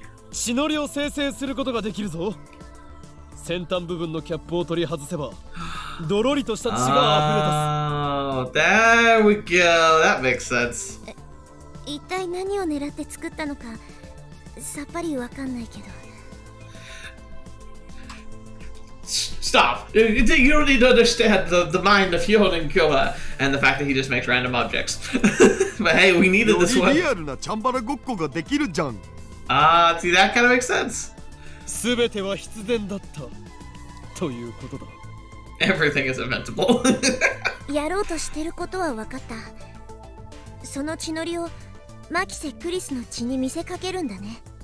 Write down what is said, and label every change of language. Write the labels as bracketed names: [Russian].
[Japanese] 血のりを生成することができるぞ先端部分のキャップを取り外せばドロリとした血が溢れ出す、 [English] oh, There we go, that makes sense [Japanese] 一体何を狙って作ったのかさっぱりわかんないけど [English] Stop! You don't need to understand the mind of Hyōnin Kyōha and the fact that he just makes random objects But hey, we needed this one [Japanese] よりリアルなチャンバラごっこができるじゃん [English] Ah, see, that kind of makes sense. [Japanese] 全ては必然だったということだ。 [English] Everything is inventable. [Japanese] やろうとしてることは分かった。その血のりをマキセ・クリスの血に見せかけるんだね。